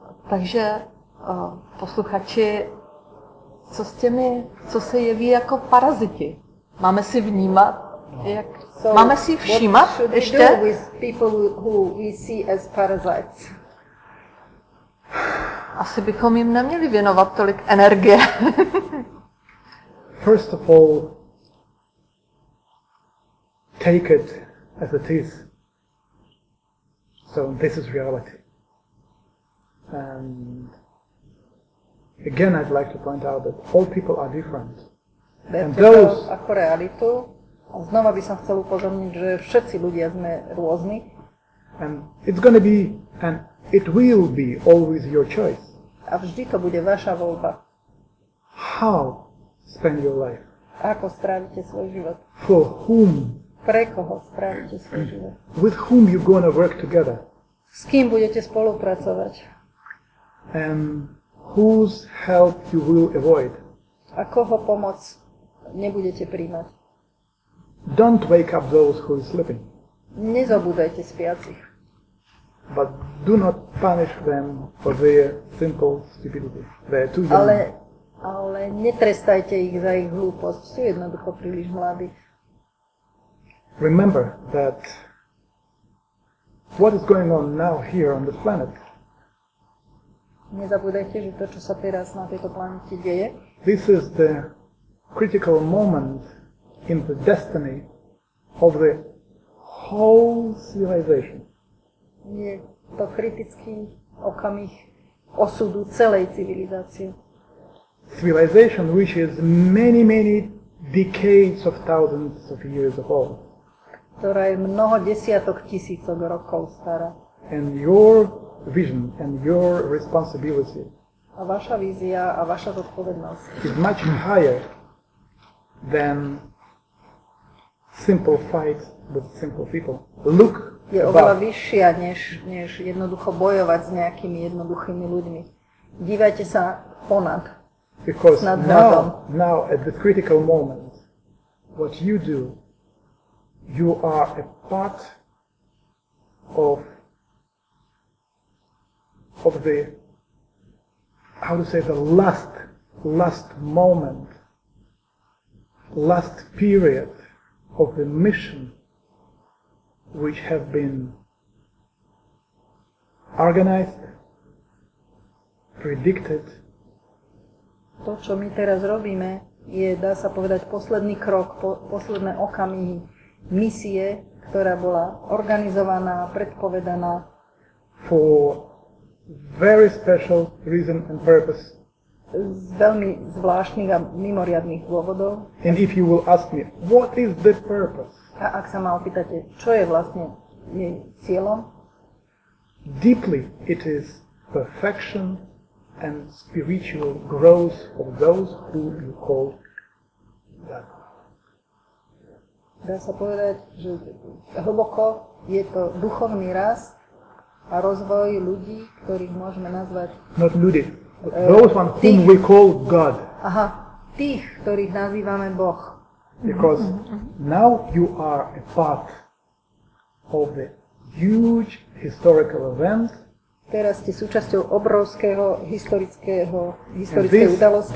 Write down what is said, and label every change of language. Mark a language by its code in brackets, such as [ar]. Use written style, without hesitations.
[cs] Takže posluchači, co s těmi, co se jeví jako paraziti? Máme si vnímat, jak, so máme si všímat ještě? [en] What should we do with people who we see as parasites? [cs] Asi bychom jim neměli věnovat tolik energie. [en] First of all, take it as it is. So this is reality. And again, I'd like to point out that all people are different. And those [sk] ako realitu, a znova by som chcel upozorniť, že všetci ľudia sme rôzni. [en] And it's going to be, and it will be always your choice. [sk] A vždy to bude vaša voľba. [en] How spend your life? [sk] Ako strávite svoj život? [en] For whom? [sk] Pre koho strávite svoj život? [en] With whom you going to work together? [sk] S kým budete spolupracovať? [en] And whose help you will avoid? [sk] A koho pomoc nebudete príjmať? [en] Don't wake up those who are sleeping. [sk] Nezobudajte spiacich. [en] But do not punish them for their simple stupidity. They are too young. [sk] Ale netrestajte ich za ich hlúposť. Sú jednoducho príliš mladí. [en] Remember that what is going on now here on this planet [sk] Nezabudajte, že to, čo sa teraz na tejto planete deje. [en] This is the critical moment in the destiny of the whole civilization. [sk] Je to kritický okamih osudu celej civilizácie. [en] Civilization which is many, many decades of thousands of years old. [sk] Ktorá je mnoho desiatok tisícok rokov stará. [en] And your vision and your responsibility. [sk] A vaša vízia a vaša zodpovednosť. [en] Is much higher than simple fight with simple people. Look [sk] je [en] above. [sk] Oveľa vyššia, než jednoducho bojovať s nejakými jednoduchými ľuďmi. Dívajte sa ponad. [en] Because now at this critical moment, what you do, you are a part of the, how to say, the last moment, last period of the mission which have been organized, predicted. [sk] To, čo my teraz robíme, je, dá sa povedať, posledný krok, posledné okamihy misie, ktorá bola organizovaná, predpovedaná. [en] For very special reason and purpose. [sk] Z veľmi zvláštnych a mimoriadnych dôvodov. [en] And if you will ask me, what is the purpose? [sk] A ak sa ma opýtate, čo je vlastne jej cieľom? [en] Deeply it is perfection and spiritual growth of those who you call God. [sk] Dá sa povedať, že hlboko je to duchovný rast a rozvoj ľudí, ktorých môžeme nazvať... [en] Not ľudí, those one whom we call God. [sk] Aha, tých, ktorých nazývame Boh. [en] Because now you are a part of the huge historical event. [sk] Teraz ste súčasťou obrovského historickej udalosti.